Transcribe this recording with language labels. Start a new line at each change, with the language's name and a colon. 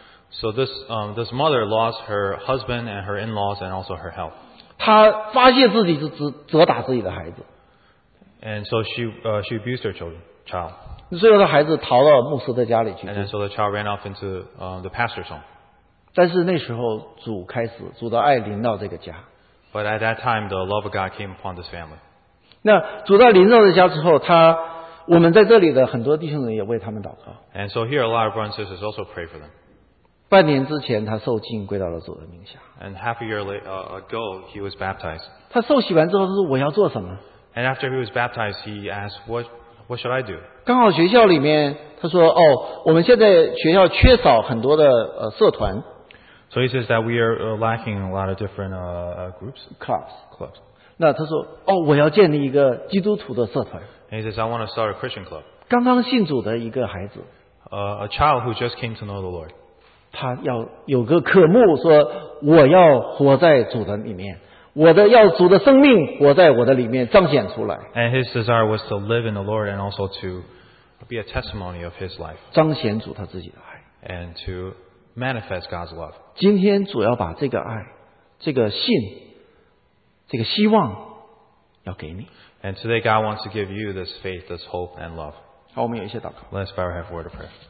English: So this mother lost her husband and her in-laws and also her health.
Chinese: 她发泄自己是责打自己的孩子。
English: And so she abused her child.
Chinese: 最后的孩子逃到牧师的家里去。
English: And then so the child ran off into the pastor's home.
Chinese: 但是那时候主开始，主的爱临到这个家。
English: But at that time the love of God came upon this family.
Chinese: 那主的临到这家之后，他。我们在这里的很多弟兄们也为他们祷告。
English: And so here a lot of brothers and sisters also pray for them.
Chinese: 半年之前他受浸归到了主的名下。
English: And half a year ago he was baptized.
Chinese: 他受洗完之后他说我要做什么
English: ？And after he was baptized, he asked, "What should I do?"
Chinese: 刚好学校里面他说哦，我们现在学校缺少很多的社团。
English: So he says that we are lacking a lot of different groups. Clubs.
Chinese: 那他说哦，我要建立一个基督徒的社团。
English: And he says, "I want to start a Christian club."
Chinese: 刚刚信主的一个孩子
English: ，a child who just came to know the Lord.
Chinese: 他要有个渴慕，说我要活在主的里面，我的要主的生命活在我的里面彰显出来。
English: And his desire was to live in the Lord and also to be a testimony of his life.
Chinese: 彰显主他自己的爱。
English: And to manifest God's love.
Chinese: 今天主要把这个爱、这个信、这个希望要给你。
English: And today God wants to give you this faith, this hope and love.
Chinese: 好，我们有一些祷告。
English: Let's bow our head for a word of prayer.